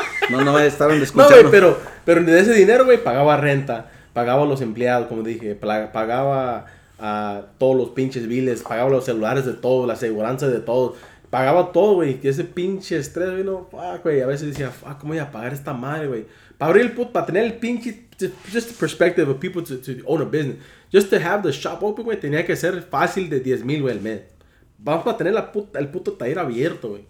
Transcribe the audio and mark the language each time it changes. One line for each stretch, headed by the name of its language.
Spanish: No me estaban escuchando. No, güey, pero de ese dinero, güey, pagaba renta, pagaba los empleados, como dije, pagaba a todos los pinches biles, pagaba los celulares de todos, la aseguranza de todos, pagaba todo, güey, y ese pinche estrés vino, fuck, güey, a veces decía, fuck, ¿cómo voy a pagar esta madre, güey? Para tener el pinche,
English: just the perspective of people to own a business. Just to have the shop open,
Spanish: güey, tenía que ser fácil de 10,000, güey, al mes. Vamos a tener el puto taller abierto, güey.